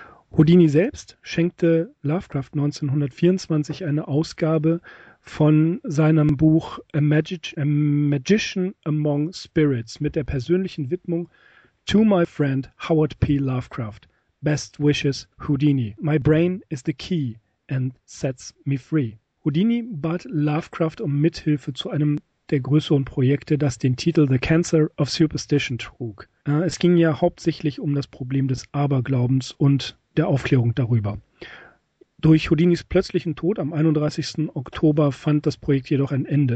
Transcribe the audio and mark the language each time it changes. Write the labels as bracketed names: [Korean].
[German] Houdini selbst schenkte Lovecraft 1924 eine Ausgabe von seinem Buch A Magician Among Spirits mit der persönlichen Widmung [English] To my friend Howard P. Lovecraft. Best wishes, Houdini. My brain is the key and sets me free. [German] Houdini bat Lovecraft um Mithilfe zu einem der größeren Projekte, das den Titel The Cancer of Superstition trug. Es ging ja hauptsächlich um das Problem des Aberglaubens und der Aufklärung darüber. Durch Houdinis plötzlichen Tod am 31. Oktober fand das Projekt jedoch ein Ende.